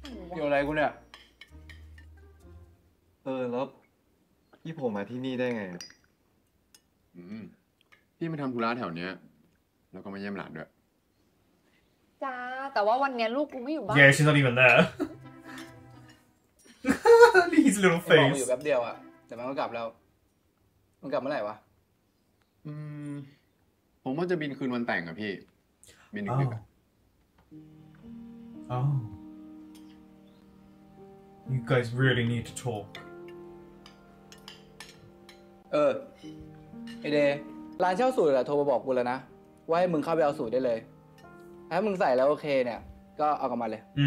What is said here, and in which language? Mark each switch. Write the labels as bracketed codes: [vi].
[th] เกี่ยวอะไรกูเนี่ยเออแล้วพี่ผมมาที่นี่ได้ไง พี่มาทำธุระแถวเนี้ยแล้วก็มาเยี่ยมหลานด้วย จ้าแต่ว่าวันเนี้ยลูกกูไม่อยู่บ้าน [en] Yeah, she's not even there His little face [th] บอกมาอยู่แป๊บเดียวอะแต่มันก็กลับแล้วมันกลับเมื่อไหร่วะ ผมว่าจะบินคืนวันแต่งอะพี่บินดึก [en] ๆ Oh You guys really need to talk [th] เออไอเดร้านเช่าสูตรอะโทรมาบอกกูแล้วนะว่าให้มึงเข้าไปเอาสูตรได้เลยถ้ามึงใส่แล้วโอเคเนี่ยก็เอากลับมาเลย